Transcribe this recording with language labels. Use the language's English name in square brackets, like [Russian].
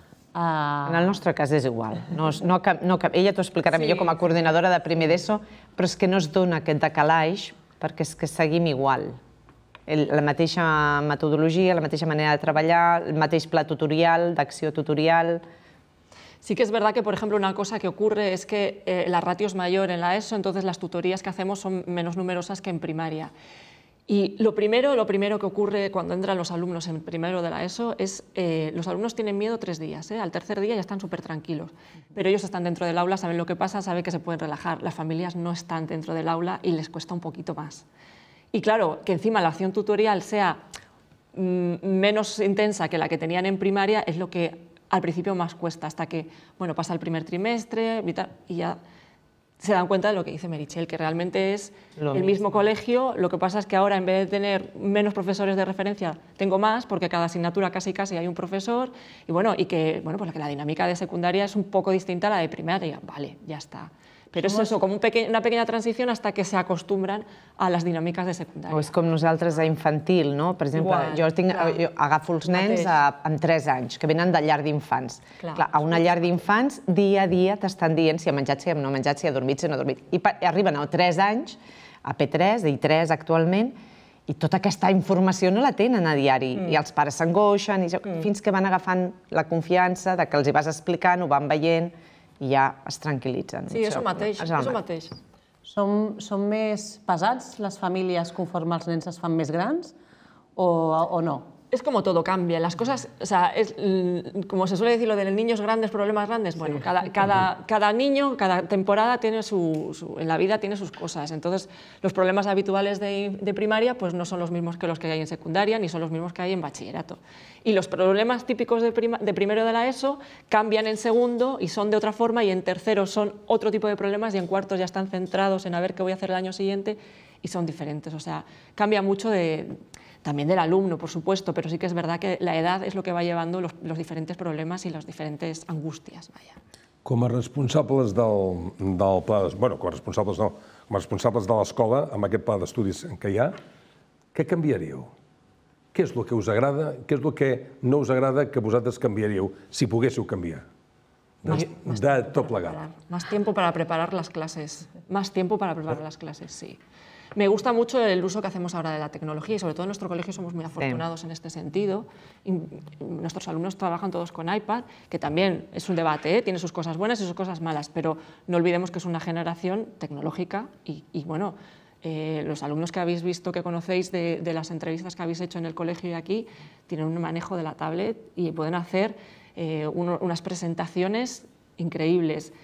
[Catalan] En el nostre cas és igual. Ella t'ho explicarà millor com a coordinadora de primer d'ESO, però és que no es dona aquest decalaix perquè és que seguim igual. La mateixa metodologia, la mateixa manera de treballar, el mateix pla tutorial, d'acció tutorial... [Spanish] Sí que es verdad que, por ejemplo, una cosa que ocurre es que la ratio es mayor en la ESO, entonces las tutorías que hacemos son menos numerosas que en primaria. Y lo primero que ocurre cuando entran los alumnos en primero de la ESO es los alumnos tienen miedo 3 días, ¿eh? Al tercer día ya están súper tranquilos, pero ellos están dentro del aula, saben lo que pasa, saben que se pueden relajar. Las familias no están dentro del aula y les cuesta un poquito más. Y claro, que encima la acción tutorial sea menos intensa que la que tenían en primaria es lo que al principio más cuesta, hasta que bueno, pasa el primer trimestre y ya se dan cuenta de lo que dice Meritxell, que realmente es el mismo colegio, lo que pasa es que ahora en vez de tener menos profesores de referencia, tengo más, porque cada asignatura casi casi hay un profesor, y bueno, y que, bueno, pues que la dinámica de secundaria es un poco distinta a la de primaria, vale, ya está. [Catalan] Pero és això, com una pequeña transició fins que s'acostumbren a les dinàmiques de secundària. O és com nosaltres a infantil, no? Per exemple, jo agafo els nens amb 3 anys, que venen de llar d'infants. A una llar d'infants, dia a dia t'estan dient si ha menjat, si no ha menjat, si ha dormit, si no ha dormit. I arriben a 3 anys, a P3, i 3 actualment, i tota aquesta informació no la tenen a diari. I els pares s'angoixen, fins que van agafant la confiança que els hi vas explicant, ho van veient, i ja es tranquil·litzen. Sí, és el mateix. Són més pesats les famílies conforme els nens es fan més grans o no? És com tot canvia. Les coses, [Spanish] o sea, es, como se suele decir lo de niños grandes, problemas grandes, bueno, sí. cada niño, cada temporada tiene en la vida tiene sus cosas. Entonces, los problemas habituales de primaria pues no son los mismos que los que hay en secundaria ni son los mismos que hay en bachillerato. Y los problemas típicos de primero de la ESO cambian en segundo y son de otra forma y en tercero son otro tipo de problemas y en cuarto ya están centrados en a ver qué voy a hacer el año siguiente y son diferentes. O sea, cambia mucho de... También del alumno, por supuesto, pero sí que es verdad que la edad es lo que va llevando los diferentes problemas y las diferentes angustias. Vaya. [Catalan] Com a responsables del pla... Bueno, com a responsables no. Com a responsables de l'escola, amb aquest pla d'estudis que hi ha, què canviaríeu? Què és el que us agrada? Què és el que no us agrada que vosaltres canviaríeu, si poguéssiu canviar? De tot plegat. [Spanish] Más tiempo para preparar las clases. Más tiempo para preparar las clases, sí. Me gusta mucho el uso que hacemos ahora de la tecnología y sobre todo en nuestro colegio somos muy afortunados en este sentido. Nuestros alumnos trabajan todos con iPad, que también es un debate, ¿eh? Tiene sus cosas buenas y sus cosas malas, pero no olvidemos que es una generación tecnológica y bueno, los alumnos que habéis visto, que conocéis de las entrevistas que habéis hecho en el colegio y aquí, tienen un manejo de la tablet y pueden hacer unas presentaciones increíbles.